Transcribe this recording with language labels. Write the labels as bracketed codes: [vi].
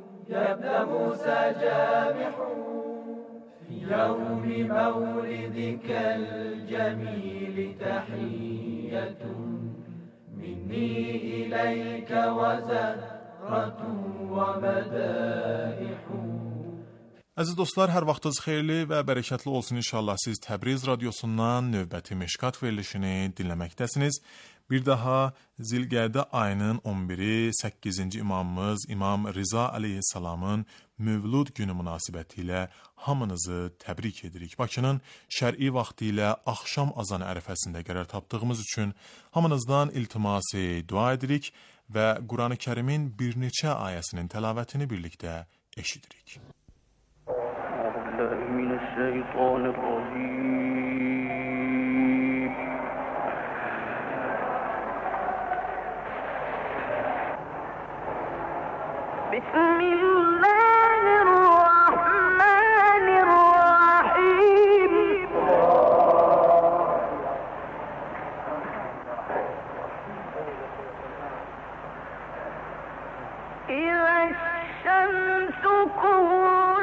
[ar] يا ابن موسى جامح في يوم مولدك الجميل تحية مني إليك وزهرة ومدائح. [az] Əziz dostlar, hər vaxtınız xeyirli və bərəkətli olsun inşallah. Siz Təbriz radiosundan növbəti Meşkat verilişini dinləməkdəsiniz. Bir daha Zilqədə ayının 11-i 8-ci imamımız İmam Rıza əleyhissalamın Mövlud günü münasibəti ilə hamınızı təbrik edirik. Bakının şər'i vaxtı ilə axşam azan ərəfəsində qərar tapdığımız üçün hamınızdan iltiması dua edirik və Qurani Kərimin bir neçə ayəsinin təlavətini birlikdə eşidirik. [ar] من الشيطان الرجيم بسم الله الرحمن الرحيم إذا الشمس كورت